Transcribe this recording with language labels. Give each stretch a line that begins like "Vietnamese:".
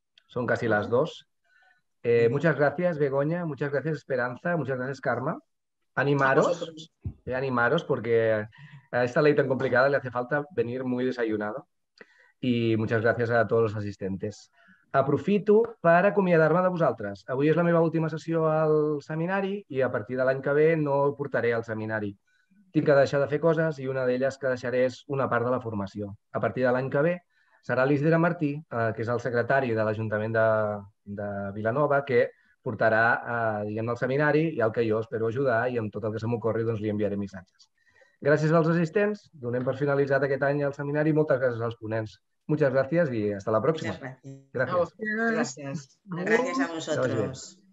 Spanish: Son casi las dos. Muchas gracias, Begoña. Muchas gracias, Esperanza. Muchas gracias, Karma. Animaros, animaros, porque a esta ley tan complicada le hace falta venir muy desayunado. Y muchas gracias a todos los asistentes.
Catalan: Aprofito per acomiadar-me de vosaltres. Avui és la meva última sessió al seminari i a partir de l'any que ve no el portaré al seminari. Tinc que deixar de fer coses i una d'elles que deixaré és una part de la formació. A partir de l'any que ve serà l'Isidre Martí, que és el secretari de l'Ajuntament de Vilanova, que portarà diguem-ne el seminari i el que jo espero ajudar i amb tot el que se m'ocorri doncs, li enviaré missatges. Gràcies als assistents. Donem per finalitzat aquest any el seminari. Moltes gràcies als ponents.
Spanish: Muchas gracias y hasta la próxima. Gracias. Gracias. Gracias. Gracias a vosotros.